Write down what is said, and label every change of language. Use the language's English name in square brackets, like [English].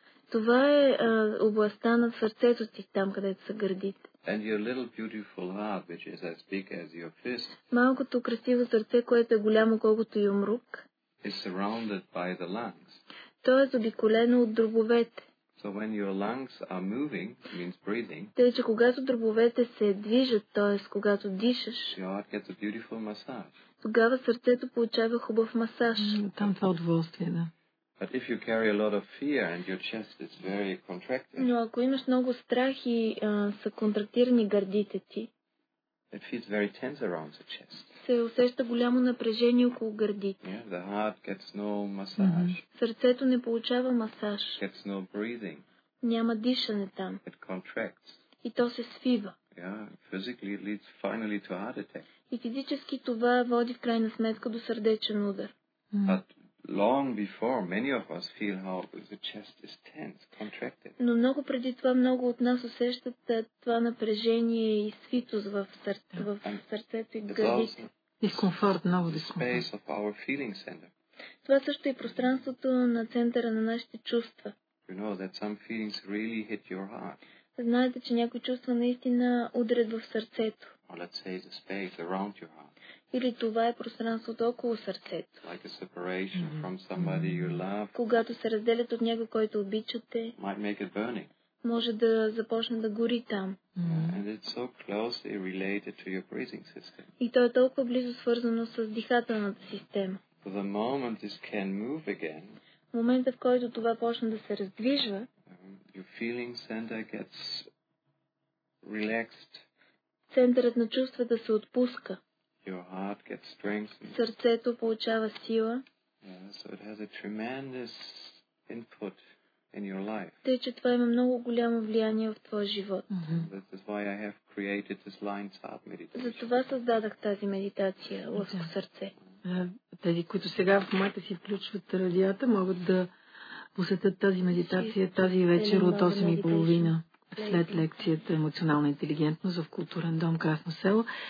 [Bulgarian] Това е областта на сърцето ти, там където са гърдите. [English] And your little beautiful heart, which is as big as your fist. [Bulgarian] Малкото красиво сърце, което е голямо колкото юмрук. [English] Is surrounded by the lungs. [Bulgarian] То е обиколено от дробовете. [English] So when your lungs are moving, means breathing. [Bulgarian] Тъй, че когато дробовете се движат, т.е. когато дишаш. [English] Your heart gets a beautiful massage. [Bulgarian] Тогава сърцето получава хубав масаж. Там това удоволствие, да. [English] But if you carry a lot of fear and your chest is very contracted. [Bulgarian] Но ако имаш много страх и са контрактирани гърдите ти. [English] It feels very tense around the chest. [Bulgarian] Се усеща голямо напрежение около гърдите. [English] Yeah, the heart gets no massage. Mm-hmm. [Bulgarian] Сърцето не получава масаж. [English] Gets no breathing. [Bulgarian] Няма дишане там. [English] It contracts. [Bulgarian] И то се свива. [English] Yeah, physically it leads finally to heart attack. [Bulgarian] И физически това води в крайна сметка до сърдечен удар. [English] Long before many of us feel how the chest is tense, contracted. [Bulgarian] Но много преди това много от нас усещат това напрежение и свитост в сърцето и гърдите. Дискомфорт, много дискомфорт. [English] Space of our feeling center. [Bulgarian] Това също е пространството на центъра на нашите чувства. [English] You know that some feelings really hit your heart. [Bulgarian] Знаете, че някои чувства наистина удрят в сърцето. [English] Or let's say the space around your heart. [Bulgarian] Или това е пространството около сърцето. [English] Like a separation from somebody you love. [Bulgarian] Когато се разделят от някой, който обичате, [English] might make it burning. [Bulgarian] Може да започне да гори там. [English] And it's so closely related to your breathing system. [Bulgarian] И то е толкова близо свързано с дихателната система. [English] For the moment this can move again, [Bulgarian] момента, в който това почне да се раздвижва, [English] your feeling center gets relaxed. [Bulgarian] Центърът на чувствата се отпуска. [English] Your heart gets strengthened. [Bulgarian] Сърцето получава сила. [English] So it has a tremendous input in your life. [Bulgarian] Тъй, че това има много голямо влияние в твоя живот. [English] That is why I have created this Lion's Heart meditation. [Bulgarian] Затова създадах тази медитация Лъвско сърце. Тези, които сега в момента си включват радиата, могат да посетят тази медитация тази вечер от 8:30 след лекцията Емоционална интелигентност в Културен дом Красно село.